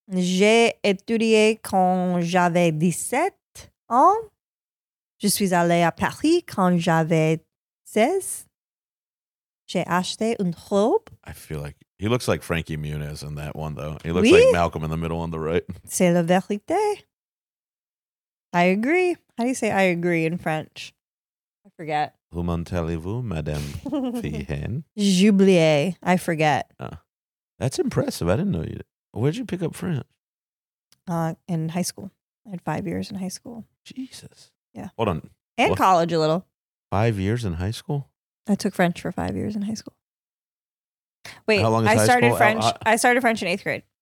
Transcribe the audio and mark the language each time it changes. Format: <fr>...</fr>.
<fr>J'ai étudié quand j'avais 17 ans. Je suis allé à Paris quand j'avais 16. J'ai acheté une robe.</fr> <en>I feel like he looks like Frankie Muniz in that one, though. He looks like Malcolm in the Middle on the right.</en> <fr>C'est la vérité.</fr> <en>I agree. How do you say I agree in French? I forget.</en> <fr>Comment allez-vous, Madame Fihen? J'oublie.</fr> <en>I forget. That's impressive. I didn't know you. Where'd you pick up French? In high school. I had 5 years in high school. Jesus. Yeah. Hold on. College a little. 5 years in high school? I took French for 5 years in high school. Wait, how long is I started French in 8th grade.</en>